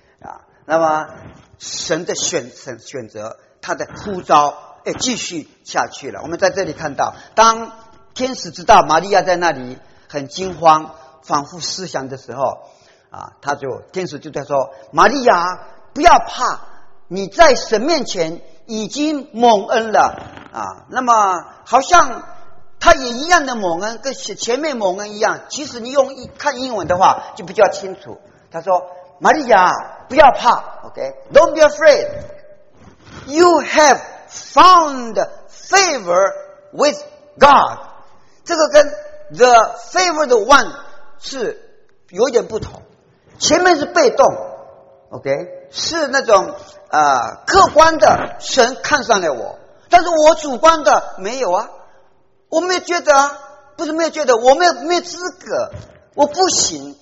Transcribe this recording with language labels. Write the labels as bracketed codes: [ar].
[zh] 啊，那么神的选择，他的呼召，哎，继续下去了。我们在这里看到，当天使知道玛利亚在那里很惊慌，反复思想的时候，啊，天使就在说：“玛利亚，不要怕，你在神面前已经蒙恩了。” 啊，那么好像他也一样的蒙恩，跟前面蒙恩一样。其实你用看英文的话就比较清楚。他说：“玛利亚，不要怕 ，OK， [en] Don't be afraid. You have found favor with God.” [zh] 这个跟 [en] the favored one [zh] 是有点不同。前面是被动 ，OK， 是那种客观的神看上了我。但是我主观的没有啊，我没有觉得啊，不是没有觉得，我没有资格，我不行。